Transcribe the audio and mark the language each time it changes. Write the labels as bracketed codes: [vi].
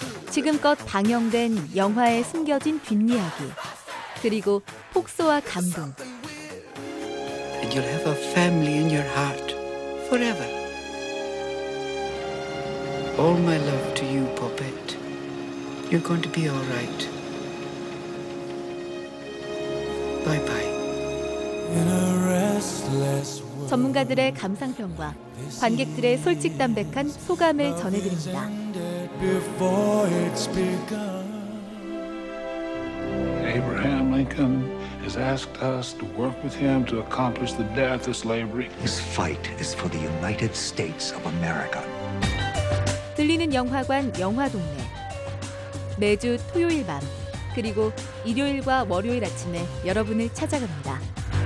[ko] 지금껏 방영된 영화의 숨겨진 뒷이야기 그리고 폭소와 감동. [en] And you'll have a family in your heart forever. All my love to you, puppet. You're going to be all right. Bye-bye. In a restless world. [ko] 전문가들의 감상평과 관객들의 솔직담백한 소감을 전해드립니다. [en] 에브라함 링컨 has asked us to work with him to accomplish the death of slavery. This fight is for the United States of America. [ko] 들리는 영화관 영화 동네 매주 토요일 밤 그리고 일요일과 월요일 아침에 여러분을 찾아갑니다.